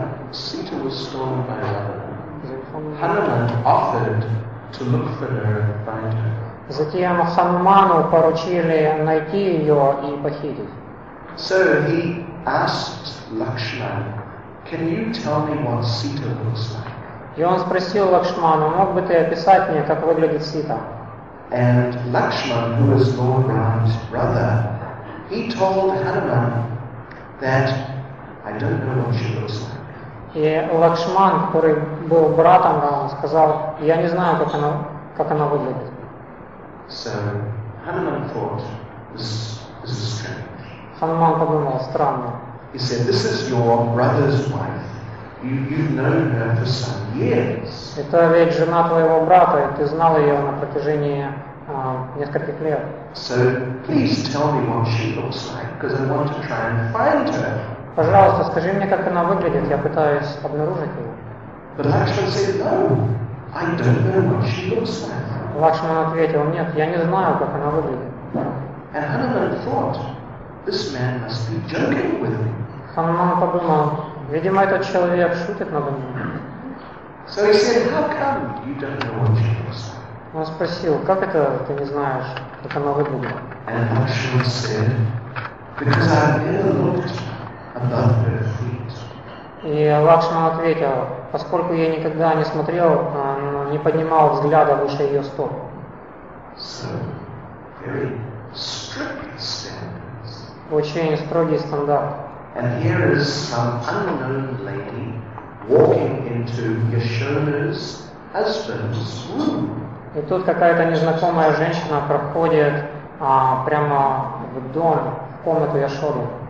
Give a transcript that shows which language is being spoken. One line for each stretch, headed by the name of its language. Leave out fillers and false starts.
English: Sita was stolen by Ravana. Hanuman offered to look for her and find her.
Russian: Затем Хануману поручили найти ее и похитить.
English: So he asked Lakshmana, "Can you tell me what Sita looks like?"
Russian: И он спросил Лакшману, "Мог бы ты описать мне, как выглядит Сита?"
English: And Lakshman, who was Lord Ram's brother, he told Hanuman that I don't know what she looks like.
Russian: И Лакшман, который был братом Рама, сказал, я не знаю, как она выглядит.
English: So Hanuman thought this is strange.
Russian: Хануман подумал, странно.
English: He said, this is your brother's wife. You've known her for some years.
Russian: Это ведь жена твоего брата, и ты знал ее на протяжении нескольких лет.
English: So please tell me what she looks like, because I want to try and find her.
Russian: Пожалуйста, скажи мне, как она выглядит, я пытаюсь обнаружить ее.
English: But Lakshman said, no, I don't know what she looks like.
Russian: Лакшман ответил, нет, я не знаю, как она выглядит.
English: And Hanuman thought, this man must be joking with me.
Russian: Хануман подумал, видимо, этот человек шутит надо мной.
English: So he said, how come you don't know what she looks like?
Russian: Он спросил, как это ты не знаешь, как она выглядит?
English: And Lakshman said, because I've never looked above her feet.
Russian: И Лакшман ответил, поскольку я никогда не смотрел, не поднимал взгляда выше ее стоп.
English: So, very strict standards.
Russian: Очень строгий стандарт.
English: And here is some unknown lady walking into Yashoda's husband's room.
Russian: И тут какая-то незнакомая женщина проходит прямо в дом, в комнату Яшоды.